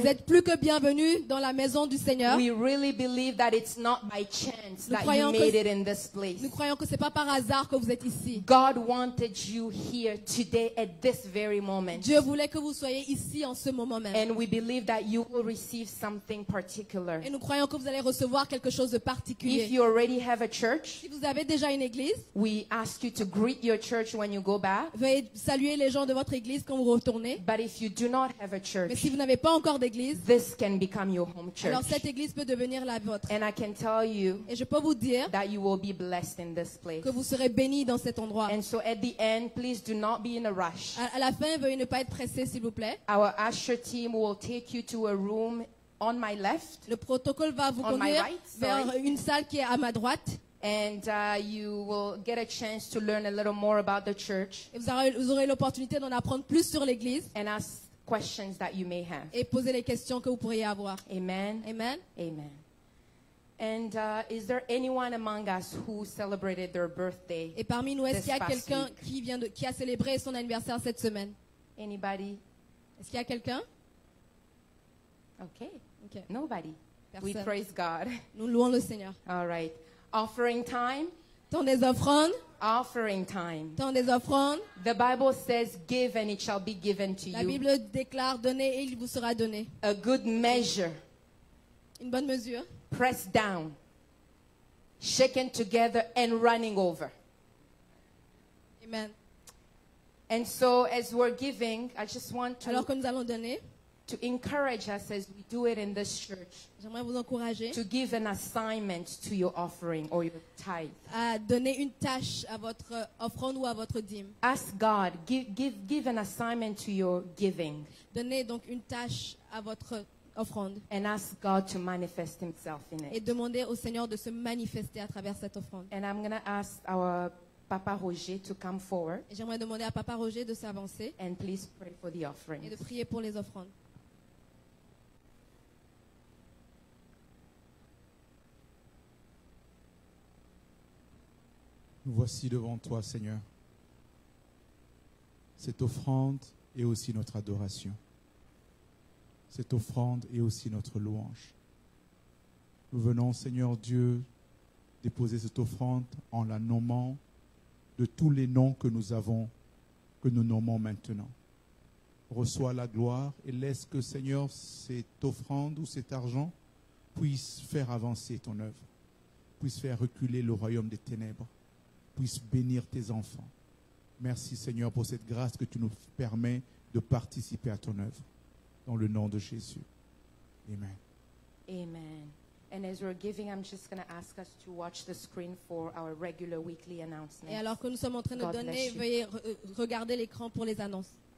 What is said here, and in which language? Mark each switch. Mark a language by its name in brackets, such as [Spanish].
[French] Vous êtes plus que bienvenue dans la maison du Seigneur. [English] We really believe that it's not by chance that you made it in this place. [French] Nous croyons que c'est pas par hasard que vous êtes ici. [English] God wanted you here today at this very moment. [French] Dieu voulait que vous soyez ici en ce moment même. [English] And we believe that you will receive something particular. [French] Et nous croyons que vous allez recevoir quelque chose de particulier. [English] If you already have a church, [French] si vous avez déjà une église, [English] we ask you to greet your church when you go back. [French] Veuillez saluer les gens de votre église quand vous retournez. [English] But if you do not have a church, [French] mais si vous n'avez pas encore d'église, [English] this can become your home church. [French] Alors cette église peut devenir la vôtre. [English] And I can tell you, [French] et je peux vous dire, [English] that you will be blessed in this place. [French] Que vous serez bénis dans cet endroit. [English] And so at the end, please do not be in a rush. [French] À la fin, veuillez ne pas être pressé, s'il vous plaît. [English] Our usher team will take you to a room on my left. [French] Le protocole va vous conduire vers une salle qui est à ma droite. [English] And you will get a chance to learn a little more about the church. [French] Et vous aurez l'opportunité d'en apprendre plus sur l'église. [English] And ask questions that you may have. [French] Et poser les questions que vous pourriez avoir. Amen. Amen. Amen. [English] And is there anyone among us who celebrated their birthday? [French] Et parmi nous, est-ce qu'il y a quelqu'un qui a célébré son anniversaire cette semaine? [English] Anybody? [French] Est-ce qu'il y a quelqu'un? Okay. Okay. [English] Nobody. [French] Personne. [English] We praise God. [French] Nous louons le Seigneur. [English] All right. Offering time. [French] Temps des offrandes. [English] Offering time. [French] Temps des offrandes. [English] The Bible says, "Give and it shall be given to you." [French] La Bible déclare, donnez et il vous sera donné. [English] A good measure. Une bonne mesure. Pressed down. Shaken together and running over. Amen. And so, as we're giving, I just want to. [French] Alors que nous allons donner. [English] To encourage us as we do it in this church. [French] J'aimerais vous encourager. [English] To give an assignment to your offering or your tithe. [French] À donner une tâche à votre offrande ou à votre dîme. [English] Ask God, give an assignment to your giving. [French] Donnez donc une tâche à votre offrande. [English] And ask God to manifest himself in it. [French] Et demandez au Seigneur de se manifester à travers cette offrande. [English] And I'm going to ask our Papa Roger to come forward. [French] Et j'aimerais demander à Papa Roger de s'avancer. [English] And please pray for the offerings. [French] Et de prier pour les offrandes. Nous voici devant toi, Seigneur. Cette offrande est aussi notre adoration. Cette offrande est aussi notre louange. Nous venons, Seigneur Dieu, déposer cette offrande en la nommant de tous les noms que nous avons, que nous nommons maintenant. Reçois la gloire et laisse que, Seigneur, cette offrande ou cet argent puisse faire avancer ton œuvre. puisse faire reculer le royaume des ténèbres, puisse bénir tes enfants. Merci Seigneur pour cette grâce que tu nous permets de participer à ton œuvre. Dans le nom de Jésus. Amen. Amen. [English] And as we're giving, I'm just going to ask us to watch the screen for our regular weekly announcements. [French] Et alors que nous sommes en train de donner, veuillez regarder l'écran pour les annonces.